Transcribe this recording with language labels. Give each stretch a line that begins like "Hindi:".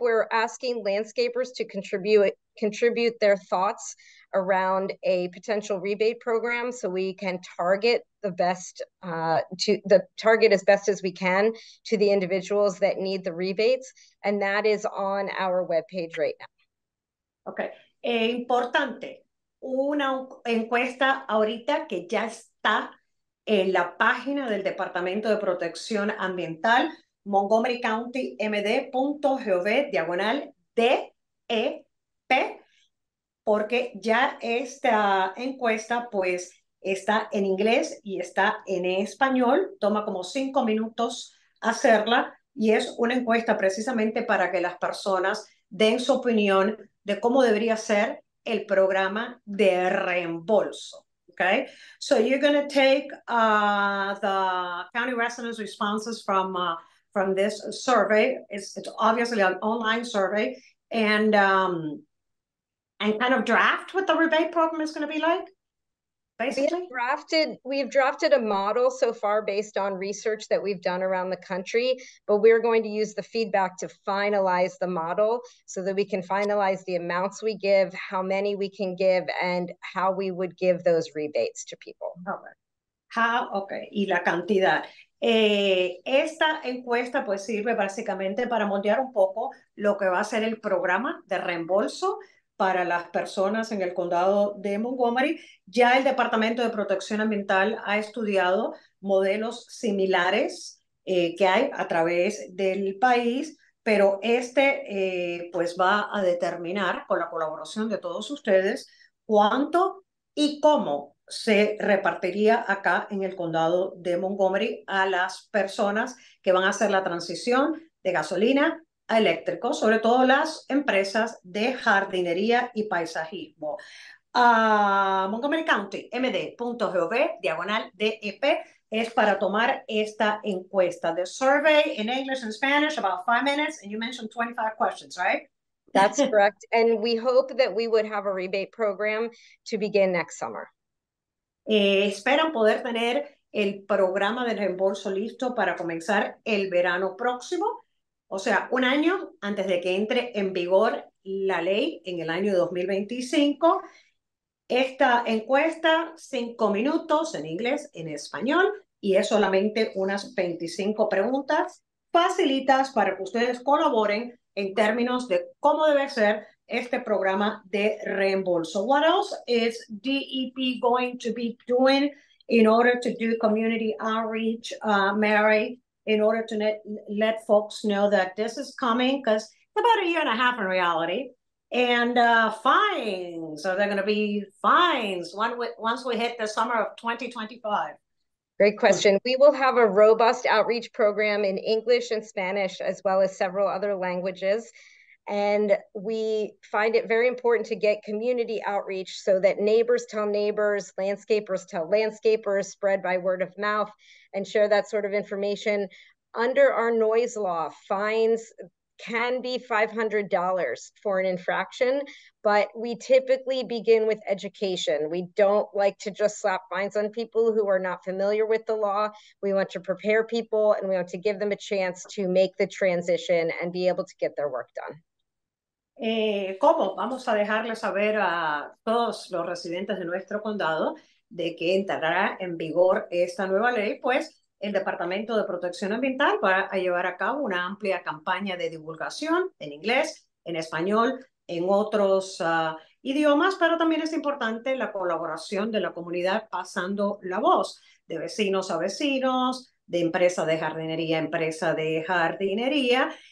English: We're asking landscapers to contribute their thoughts around a potential rebate program so we can target the best as best as we can to the individuals that need the rebates, and that is on our webpage right now. Okay.
Spanish: Importante, una encuesta ahorita que ya está en la página del Departamento de Protección Ambiental, montgomerycountymd.gov/DEP, porque ya esta encuesta pues está en inglés y está en español. Toma como 5 minutos hacerla y es una encuesta precisamente para que las personas den su opinión de cómo debería ser el programa de reembolso.
English: Okay, so you're going to take the county residents' responses from this survey. It's obviously an online survey and kind of draft what the rebate program is going to be like, basically? We've drafted a model so far based on research that we've done around the country, but we're going to use the feedback to finalize the model so that we can finalize the amounts we give, how many we can give, and how we would give those rebates to people.
Spanish: Okay. Y la cantidad. Esta encuesta pues sirve básicamente para moldear un poco lo que va a ser el programa de reembolso para las personas en el condado de Montgomery. Ya el Departamento de Protección Ambiental ha estudiado modelos similares que hay a través del país, pero este pues va a determinar con la colaboración de todos ustedes cuánto y cómo se repartiría acá en el condado de Montgomery a las personas que van a hacer la transición de gasolina a eléctrico, sobre todo las empresas de jardinería y paisajismo. Montgomery County, md.gov/DEP, es para tomar esta encuesta.
English: The survey in English and Spanish, about 5 minutes, and you mentioned 25 questions, right? That's correct. And we hope that we would have a rebate program to begin next summer.
Spanish: Esperan poder tener el programa de reembolso listo para comenzar el verano próximo, o sea, un año antes de que entre en vigor la ley en el año 2025. Esta encuesta, 5 minutos en inglés, en español, y es solamente unas 25 preguntas facilitas para que ustedes colaboren en términos de cómo debe ser este programa de reembolso.
English: What else is DEP going to be doing in order to do community outreach, Mary, in order to let folks know that this is coming? Because it's about a year and a half in reality. And fines, are there going to be fines once we hit the summer of 2025? Great question. We will have a robust outreach program in English and Spanish, as well as several other languages. And we find it very important to get community outreach so that neighbors tell neighbors, landscapers tell landscapers, spread by word of mouth and share that sort of information. Under our noise law, fines can be $500 for an infraction, but we typically begin with education. We don't like to just slap fines on people who are not familiar with the law. We want to prepare people and we want to give them a chance to make the transition and be able to get their work done.
Spanish: ¿Cómo? Vamos a dejarles saber a todos los residentes de nuestro condado de que entrará en vigor esta nueva ley, pues el Departamento de Protección Ambiental va a llevar a cabo una amplia campaña de divulgación en inglés, en español, en otros idiomas, pero también es importante la colaboración de la comunidad pasando la voz de vecinos a vecinos, de empresa de jardinería a empresa de jardinería.